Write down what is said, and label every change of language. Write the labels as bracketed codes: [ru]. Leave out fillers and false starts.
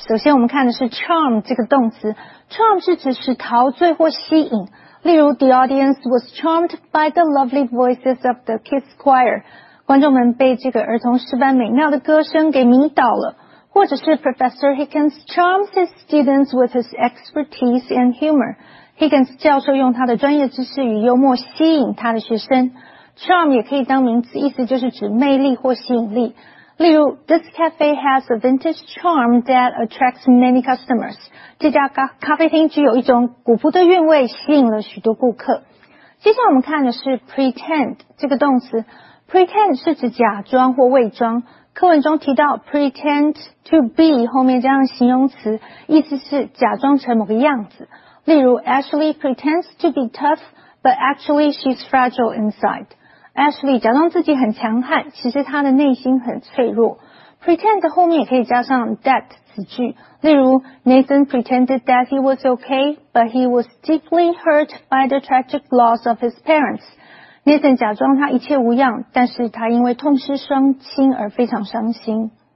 [zh] 首先我们看的是 charm 这个动词。Charm 是指使陶醉或吸引。例如 [en] ,the audience was charmed by the lovely voices of the kids choir. [zh] 观众们被这个儿童诗班美妙的歌声给迷倒了。或者是 [en] Professor Higgins charms his students with his expertise and humor. [zh] Higgins 教授用他的专业知识与幽默吸引他的学生。 Charm 也可以当名词，意思就是指魅力或吸引力。例如 [en] ,this cafe has a vintage charm that attracts many customers. [zh] 这家咖啡厅具有一种古朴的韵味，吸引了许多顾客。接下来我们看的是 pretend 这个动词。pretend 是指假装或伪装。课文中提到 pretend to be 后面加上形容词，意思是假装成某个样子。例如 [en] ,Ashley pretends to be tough, but actually she's fragile inside. [zh] Ashley 假装自己很强悍，其实她的内心很脆弱。 [en] Pretend [zh] 后面也可以加上 [en] that [zh] 子句，例如 [en] Nathan pretended that he was okay, but he was deeply hurt by the tragic loss of his parents. [zh] Nathan 假装他一切无恙，但是他因为痛失双亲而非常伤心。